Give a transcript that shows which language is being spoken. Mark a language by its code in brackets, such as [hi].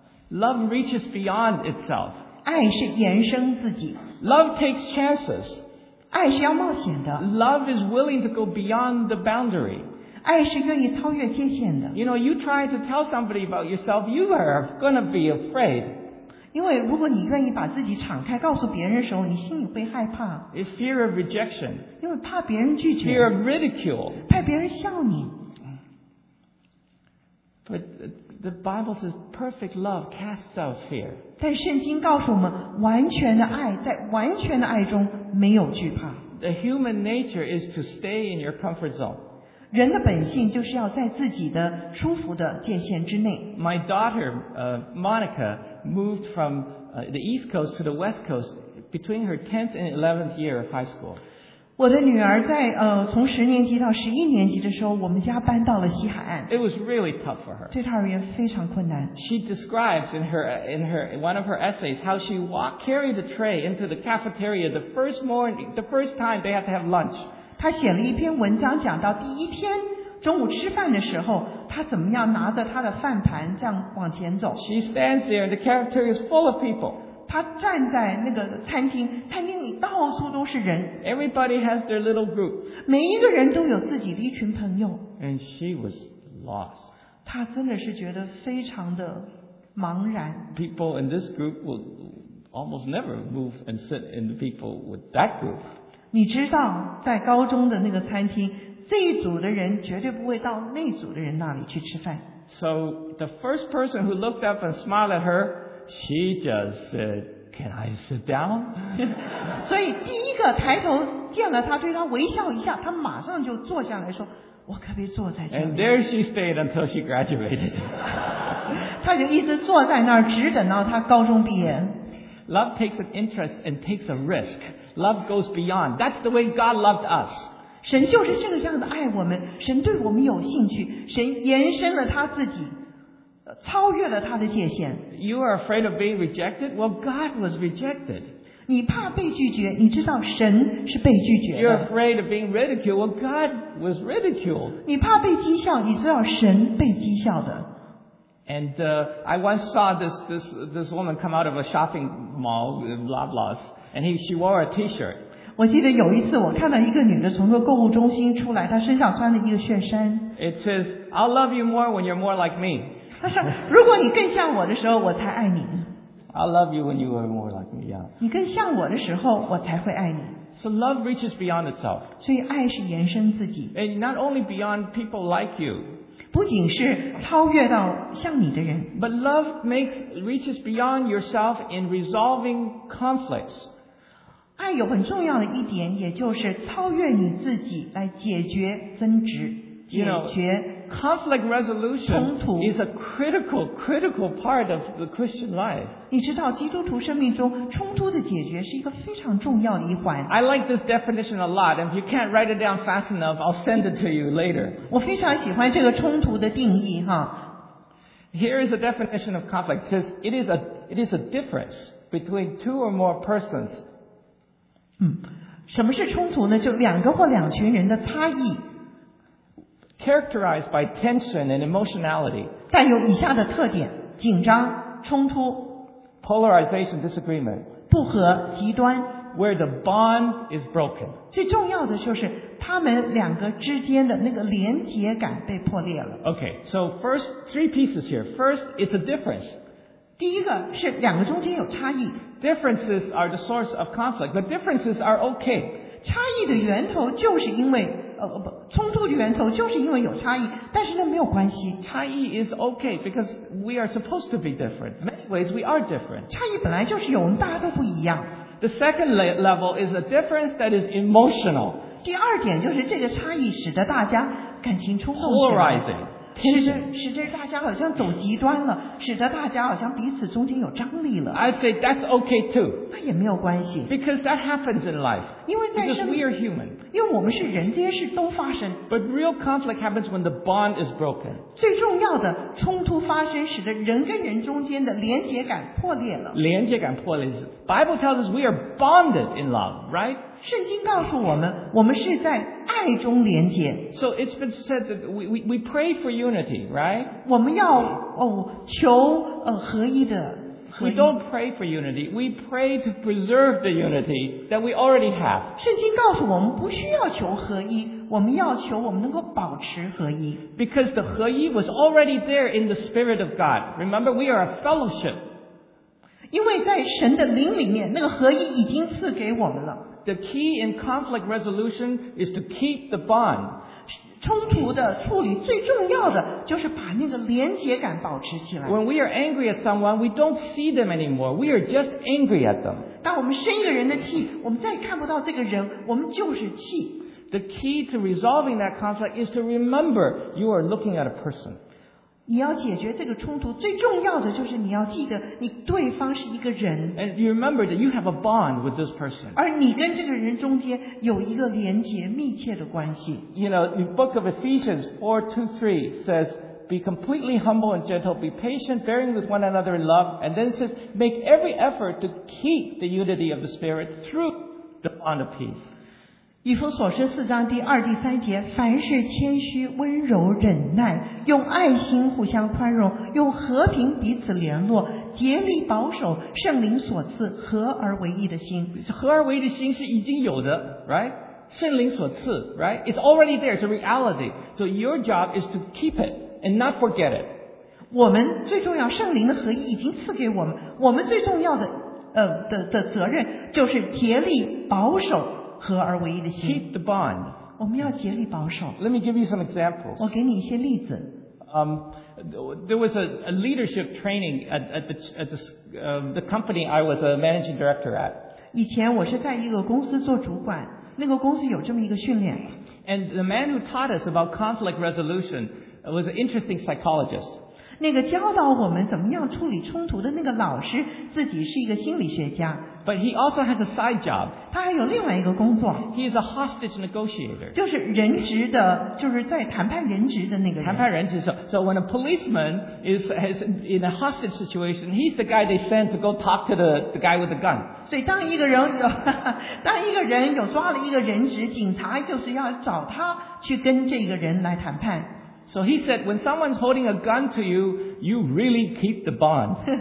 [en] Love reaches beyond itself. [zh] 爱是延伸自己。 [en] Love takes chances. [zh] 爱是要冒险的。 [en] Love is willing to go beyond the boundary. [zh] 爱是愿意超越界限的。 [en] You know, you try to tell somebody about yourself, you are going to be afraid. [zh] 因为如果你愿意把自己敞开告诉别人的时候，你心里会害怕。 [en] It's fear of rejection. [zh] 因为怕别人拒绝。 [en] Fear of ridicule. [zh] 怕别人笑你。 [en] But the Bible says perfect love casts out fear. [zh] 但圣经告诉我们，完全的爱，在完全的爱中没有惧怕。 [en] The human nature is to stay in your comfort zone. [zh] 人的本性就是要在自己的舒服的界限之内。 [en] My daughter, Monica, moved from the East Coast to the West Coast between her 10th and 11th year of high school. [zh] 我的女儿在从十年级到十一年级的时候，我们家搬到了西海岸。 [en] It was really tough for her. [zh] 对她而言非常困难。 [en] She describes in her one of her essays how she walked carried the tray into the cafeteria the first morning the first time they had to have lunch. [zh] 她写了一篇文章，讲到第一天中午吃饭的时候，她怎么样拿着她的饭盘这样往前走。 [en] She stands there and the cafeteria is full of people. [zh] 他站在那个餐厅，餐厅里到处都是人。 [en] Everybody has their little group. [zh] 每一个人都有自己的一群朋友。 [en] And she was lost. [zh] 他真的是觉得非常的茫然。 [en] People in this group will almost never move and sit in the people with that group. [zh] 你知道，在高中的那个餐厅，这一组的人绝对不会到那组的人那里去吃饭。 [en] So the first person who looked up and smiled at her. She just said, "Can I sit down?" [zh] 所以第一个抬头见了他，对他微笑一下，他马上就坐下来说，我可别坐在这里。 [en] And there she stayed until she graduated. [zh] 他就一直坐在那儿，只等到他高中毕业。 [en] Love takes an interest and takes a risk. Love goes beyond. That's the way God loved us. [zh] 神就是这个样子爱我们，神对我们有兴趣，神延伸了他自己。超越了他的界限。 [en] You are afraid of being rejected? Well, God was rejected. [zh] 你怕被拒绝，你知道神是被拒绝的。 [en] You're afraid of being ridiculed? Well, God was ridiculed. [zh] 你怕被讥笑，你知道神被讥笑的。 [en] And I once saw this woman come out of a shopping mall in Loblaws, and she wore a T-shirt. [zh] 我记得有一次我看到一个女的从个购物中心出来，她身上穿了一个恤衫。 [en] It says, "I'll love you more when you're more like me." [zh] 他说：“如果你更像我的时候，我才爱你。” [en] I love you when you are more like me. [zh] 你更像我的时候，我才会爱你。 [en] So love reaches beyond itself. [zh] 所以爱是延伸自己。 [en] And not only beyond people like you. [zh] 不仅是超越到像你的人。 [en] But love reaches beyond yourself in resolving conflicts. [zh] 爱有很重要的一点，也就是超越你自己来解决争执，解决。 [en] Conflict resolution is a critical part of the Christian life. [zh] 你知道基督徒生命中冲突的解决是一个非常重要的一环。 [en] I like this definition a lot. If you can't write it down fast enough, I'll send it to you later. [zh] 我非常喜欢这个冲突的定义哈。 [en] Here is a definition of conflict. It says it is a difference between two or more persons. [zh] 什么是冲突呢？就两个或两群人的差异。 [en] Characterized by tension and emotionality. [zh] 但有以下的特点：紧张、冲突。 [en] Polarization, disagreement. [zh] 不和、极端。 [en] Where the bond is broken. [zh] 最重要的就是他们两个之间的那个连结感被破裂了。 [en] Okay, so first three pieces here. First, it's a difference. [zh] 第一个是两个中间有差异。 [en] Differences are the source of conflict, but differences are okay. [zh] 差异的源头就是因为。冲突的源头就是因为有差异，但是那没有关系。差异 [en] is okay because we are supposed to be different. Many ways we are different. [zh] 差异本来就是有，大家都不一样。 [en] The second level is a difference that is emotional. [zh] 第二点就是这个差异使得大家感情冲动起来。 [en] Polarizing. [zh] 使得大家好像走极端了，使得大家好像彼此中间有张力了。 [en] I say that's okay too. [zh] 那也没有关系。 [en] Because that happens in life. [zh] 因为在生。 [en] Because we are human. [zh] 因为我们是人，这些事都发生。 [en] But real conflict happens when the bond is broken. [zh] 最重要的冲突发生，使得人跟人中间的连结感破裂了。连结感破裂 [en] ，Bible tells us we are bonded in love, right? [zh] 圣经告诉我们，我们是在爱中连结。 [en] So it's been said that we pray for unity, right? [zh] 我们要求合一的 [en] We don't pray for unity. We pray to preserve the unity that we already have. [zh] 圣经告诉我们不需要求合一，我们要求我们能够保持合一。 [en] Because the [zh] 合一 [en] was already there in the Spirit of God. Remember, we are a fellowship. [zh] 因为在神的灵里面，那个合一已经赐给我们了。 [en] The key in conflict resolution is to keep the bond. [zh] 冲突的处理最重要的就是把那个连结感保持起来。 [en] When we are angry at someone, we don't see them anymore. We are just angry at them. [zh] 当我们生一个人的气，我们再看不到这个人，我们就是气。 [en] The key to resolving that conflict is to remember you are looking at a person. [zh] 你要解决这个冲突，最重要的就是你要记得你对方是一个人。 [en] And you remember that you have a bond with this person. [zh] 而你跟这个人中间有一个连结密切的关系。 [en] You know, the book of Ephesians 4:2-3 says, be completely humble and gentle, be patient, bearing with one another in love, and then says, make every effort to keep the unity of the Spirit through the bond of peace. [zh] 以弗所书四章第二、第三节，凡事谦虚、温柔、忍耐，用爱心互相宽容，用和平彼此联络，竭力保守圣灵所赐合而为一的心。合而为一的心是已经有的 ， [en] right？ [zh] 圣灵所赐 [en] ，right？ It's already there. It's a reality. So your job is to keep it and not forget it. [zh] 我们最重要，圣灵的合一已经赐给我们。我们最重要的的责任就是竭力保守。合而为一的心。 [en] Keep the bond. [zh] 我们要竭力保守。 [en] Let me give you some examples. [zh] 我给你一些例子。 [en] There was a leadership training at the company I was a managing director at. [zh] 以前我是在一个公司做主管，那个公司有这么一个训练。 [en] And the man who taught us about conflict resolution was an interesting psychologist. [zh] 那个教导我们怎么样处理冲突的那个老师，自己是一个心理学家。 [en] But he also has a side job. [zh] 他还有另外一个工作。 [en] He is a hostage negotiator. [zh] 就是人质的，就是在谈判人质的那个人。谈判人质。 [en] So when a policeman is in a hostage situation, he's the guy they send to go talk to the guy with the gun. [zh] 所以当一个人有，当一个人有抓了一个人质，警察就是要找他去跟这个人来谈判。 [en] So he said, when someone's holding a gun to you, you really keep the bond.